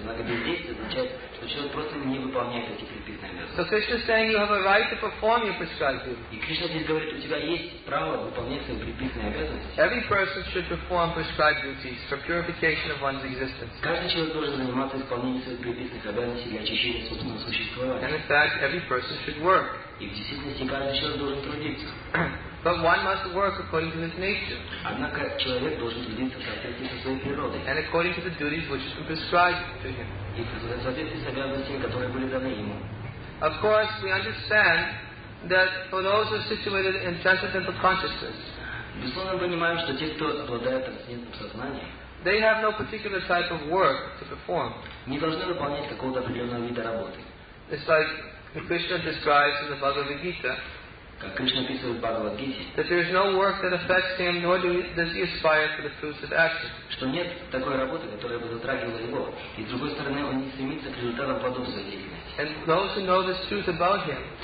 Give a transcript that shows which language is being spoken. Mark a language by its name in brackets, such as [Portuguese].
[Russian] Однако бездействие означает, что человек просто не выполняет эти предписанные обязанности. [English] So Krishna is saying you have a right to perform your prescribed duties. [Russian] И Кришна здесь говорит, у тебя есть право выполнять свои предписанные обязанности. [English] Every person should perform prescribed duties for purification of one's existence. [Russian] Каждый человек должен заниматься исполнением своих предписанных обязанностей для очищения собственного существования. [English] And in fact, every person should work. [Russian] И в действительности каждый человек должен трудиться. [English] But one must work according to his nature. [Russian] Однако человек должен трудиться в соответствии со своей природой. [English] And according to the duties which have been prescribed to him. [Russian] И в соответствии с обязанностями, которые были даны ему. [English] Of course, we understand that for those who are situated in transcendental consciousness. [Russian] Безусловно, мы понимаем, что те, кто обладает трансцендентным сознанием, [English] they have no particular type of work to perform. [Russian] Не должны выполнять какого-то определенного вида работы. [English] It's like that Krishna describes in the Bhagavad Gita. That there is no work that affects him, nor does he aspire for the fruits of action. [Russian] Что нет такой работы, которая бы затрагивала его. И с другой стороны, он не стремится к результатам подобной деятельности. [English] And those who know this truth about him,